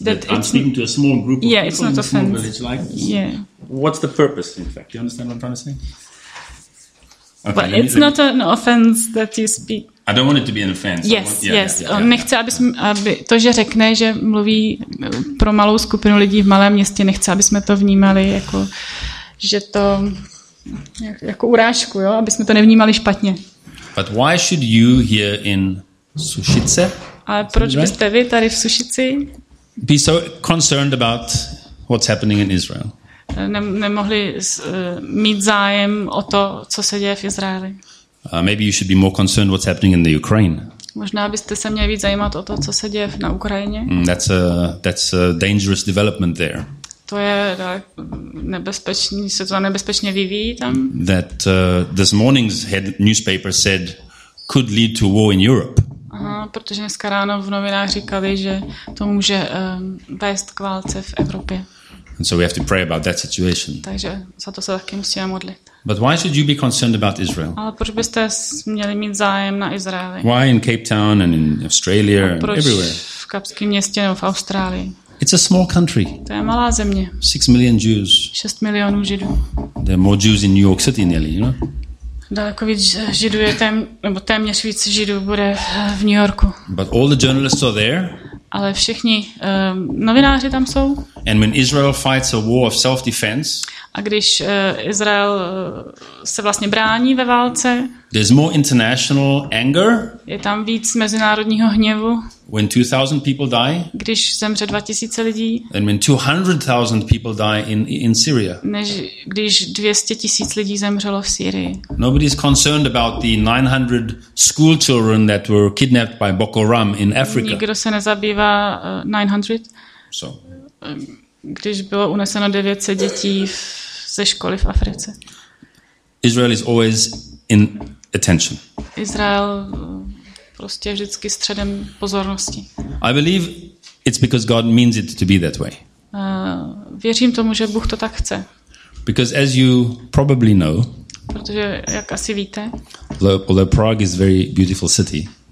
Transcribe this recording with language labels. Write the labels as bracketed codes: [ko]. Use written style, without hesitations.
[en] I'm speaking to a small group of people it's not in A small village like this. Yeah. What's the purpose, in fact? You understand what I'm trying to say? Okay, but it's not an offense that you speak. I don't want it to be an offense. [cs] Nechce, aby to, že řekne, že mluví pro malou skupinu lidí v malém městě, nechce, aby jsme to vnímali jako, že to jako urážku, jo, aby jsme to nevnímali špatně. [en] But why should you here in Sušice? [cs] Ale proč byste vy tady v Sušici? [en] Be so concerned about what's happening in Israel. [cs] Nemohli mít zájem o to, co se děje v Izraeli. [en] Maybe you should be more concerned what's happening in the Ukraine. [cs] Možná byste se měli víc zajímat o to, co se děje na Ukrajině. [en] That's a dangerous development there. [cs] To je nebezpečný, se to nebezpečně vyvíjí tam. [en] That this morning's newspaper said could lead to war in Europe. [cs] Protože dneska ráno v novinách říkali, že to může vést k válce v Evropě. [en] And so we have to pray about that situation. [cs] Takže za to se taky musíme modlit. [en] But why should you be concerned about Israel? [cs] Ale proč byste měli mít zájem na Izraeli? [en] Why in Cape Town and in Australia [cs] a proč [en] and everywhere? [cs] V Kapském městě nebo v Austrálii? [en] It's a small country. [cs] To je malá země. [en] 6 million Jews. [cs] 6 milionů Židů. [en] There are more Jews in New York City nearly, you know? [cs] Daleko víc Židů je nebo téměř víc Židů bude v New Yorku. [en] But all the journalists are there. [cs] Ale všichni novináři tam jsou. [en] And when Israel fights a war of self-defense, [cs] a když Izrael se vlastně brání ve válce, [en] there's more international anger, [cs] je tam víc mezinárodního hněvu, [en] when 2,000 people die, [cs] když zemře 2,000 lidí, [en] and when 200,000 people die in Syria, [cs] než když 200,000 lidí zemřelo v Syrii. [en] Nobody's concerned about the 900 school children that were kidnapped by Boko Haram in Africa. [cs] Nikdo se nezabývá 900. [en] So. [cs] Když bylo uneseno 900 dětí ze školy v Africe. [en] Israel is always in attention. [cs] Izrael prostě vždycky středem pozornosti. [en] I believe it's because God means it to be that way. [cs] Věřím tomu, že Bůh to tak chce. [en] Because as you probably know, [cs] protože jak asi víte, [en] although Prague is a very beautiful city.